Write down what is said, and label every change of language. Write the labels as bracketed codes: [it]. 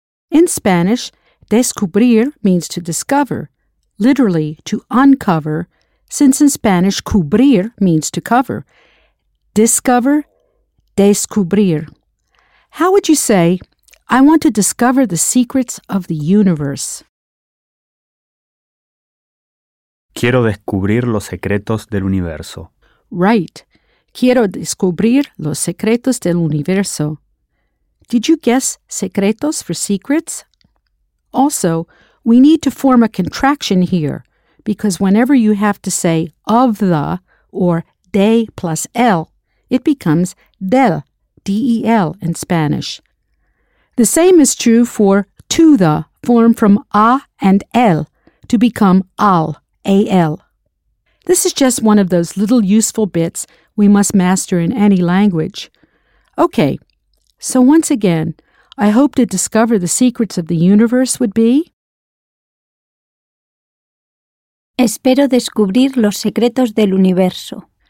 [en] In Spanish, descubrir means to discover, literally to uncover, since in Spanish, cubrir means to cover. Discover, descubrir. How would you say, I want to discover the secrets of the universe? [es] Quiero descubrir los secretos del universo. [en] Right. [es] Quiero descubrir los secretos del universo. [en] Did you guess secretos for secrets? Also, we need to form a contraction here, because whenever you have to say of the or de plus el, it becomes del, D-E-L in Spanish. The same is true for to the, formed from a and el, to become al, A-L. This is just one of those little useful bits we must master in any language. Okay, so once again, I hope to discover the secrets of the universe would be? [es] Espero descubrir los secretos del universo.